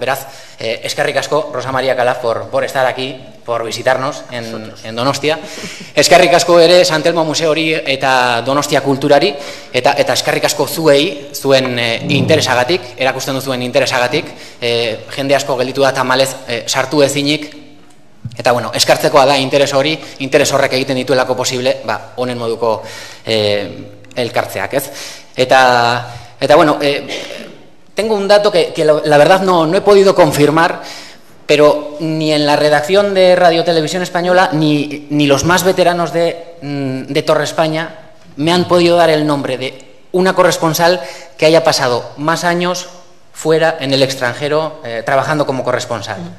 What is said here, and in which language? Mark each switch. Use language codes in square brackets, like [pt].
[eu] Beraz, eskerrik asko [es] Rosa Maria Calaf por estar aquí, por visitarnos en Donostia. [eu] Eskerrik asko ere San Telmo Museo hori eta Donostia kulturari, eta eskerrik asko zuei, zuen interesagatik, erakusten duzuen interesagatik, jende asko gelditu da tamalez sartu ezinik, eta bueno, eskartzekoa da interes hori, interes horrek egiten dituelako posible, ba, honen moduko elkartzeak, ez? [es] Eta bueno, tengo un dato que la verdad no he podido confirmar, pero ni en la redacción de Radio Televisión Española ni los más veteranos de Torre España me han podido dar el nombre de una corresponsal que haya pasado más años fuera, en el extranjero, trabajando como corresponsal.